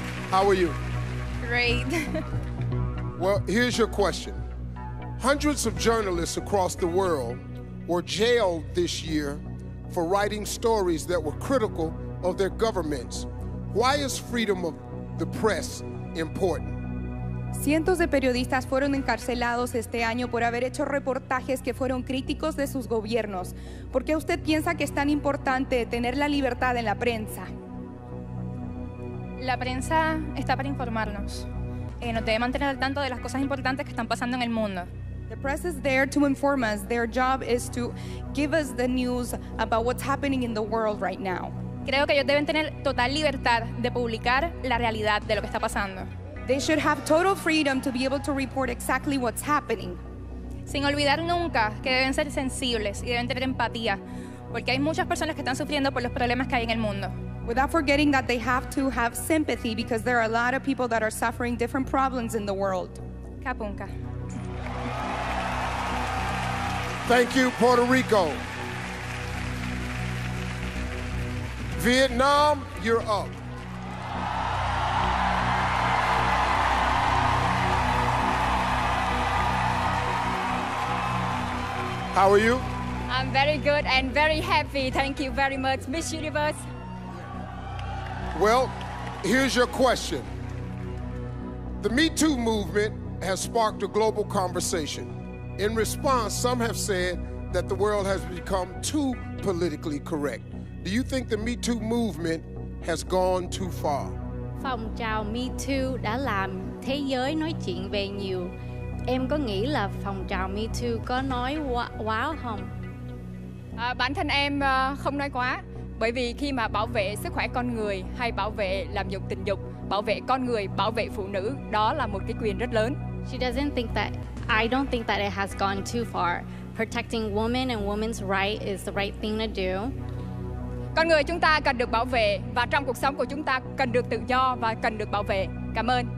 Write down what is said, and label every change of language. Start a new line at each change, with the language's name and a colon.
English: How are you? Great. Well, here's your question. Hundreds of journalists across the world were jailed this year for writing stories that were critical of their governments. Why is freedom of the press important?
Spanish: Cientos de periodistas fueron encarcelados este año por haber hecho reportajes que fueron críticos de sus gobiernos. ¿Por qué usted piensa que es tan importante tener la libertad en la prensa? La prensa está para informarnos. Nos debe mantener al tanto de las cosas importantes que están pasando en el mundo.
English: The press is there to inform us. Their job is to give us the news about what's happening in the world right now.
Spanish: Creo que ellos deben tener total libertad de publicar la realidad de lo que está pasando.
English: They should have total freedom to be able to report exactly what's happening.
Spanish: Sin olvidar nunca que deben ser sensibles y deben tener empatía, porque hay muchas personas que están sufriendo por los problemas que hay en el mundo.
English: Without forgetting that they have to have sympathy, because there are a lot of people that are suffering different problems in the world.
Thai: Kapunka.
English: Thank you, Puerto Rico. Vietnam, you're up. How are you? I'm very good and very happy. Thank you very much, Miss Universe. Well, here's your question. The Me Too movement has sparked a global conversation. In response, some have said that the world has become too politically correct. Do you think the Me Too movement has gone too far?
Vietnamese: Phong trào Me Too đã làm thế giới nói chuyện về nhiều. Em có nghĩ là phong trào Me Too có nói quá không? Bản thân em không nói quá. Bởi vì khi mà bảo vệ sức khỏe con người hay bảo vệ làm nhục tình dục, bảo vệ con người, bảo vệ phụ nữ, đó là một cái quyền rất lớn.
English: She doesn't think that, I don't think that it has gone too far. Protecting women and women's right is the right thing to do.
Vietnamese: Con người chúng ta cần được bảo vệ, và trong cuộc sống của chúng ta cần được tự do và cần được bảo vệ. Cảm ơn.